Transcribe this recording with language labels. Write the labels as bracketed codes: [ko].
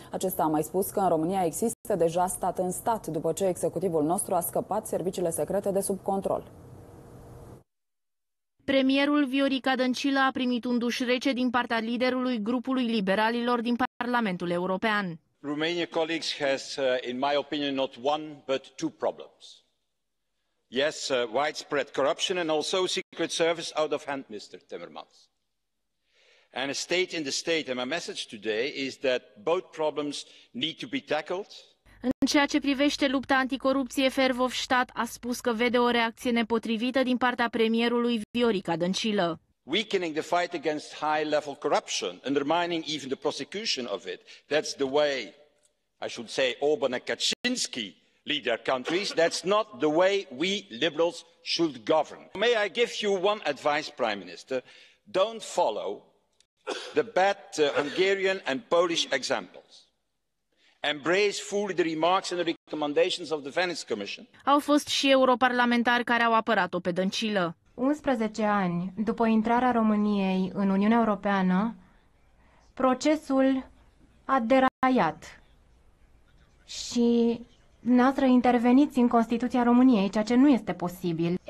[ro] Acesta a mai spus că în România există deja stat în stat, după ce executivul nostru a scăpat serviciile secrete de sub control. Premierul Viorica Dăncilă a primit un duș rece din partea liderului grupului liberalilor din Parlamentul European. [en] Romania, colleagues, has, in my opinion, not one but two problems. Yes, widespread corruption and also secret service out of hand, Mr. Timmermans. And a state in the state. And my message today is that both problems need to be tackled. [ro] În ceea ce privește lupta anticorupție, Verhofstadt a spus că vede o reacție nepotrivită din partea premierului Viorica Dăncilă. [en] Weakening the fight against high-level corruption, undermining even the prosecution of it, that's the way, I should say, Orban and Kaczynski lead their countries. That's not the way we liberals should govern. May I give you one advice, Prime Minister? Don't follow the bad Hungarian and Polish examples. Embrace fully the remarks and the recommendations of the Venice Commission. [ro] Au fost și europarlamentari care au apărat-o pe Dăncilă. 11 ani după intrarea României în Uniunea Europeană, procesul a deraiat și dumneavoastră interveniți în Constituția României, ceea ce nu este posibil.